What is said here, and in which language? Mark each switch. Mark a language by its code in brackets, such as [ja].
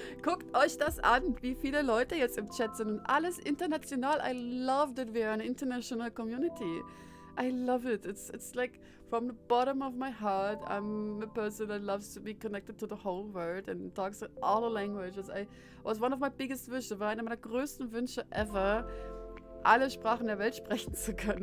[de] Guckt euch das an, wie viele Leute jetzt im Chat sind. Alles international. [en] I love that we are an international community. I love it. It's like from the bottom of my heart. I'm a person that loves to be connected to the whole world and talks in all the languages. I was one of my biggest wishes. [de] War einer meiner größten Wünsche ever, alle Sprachen der Welt sprechen zu können.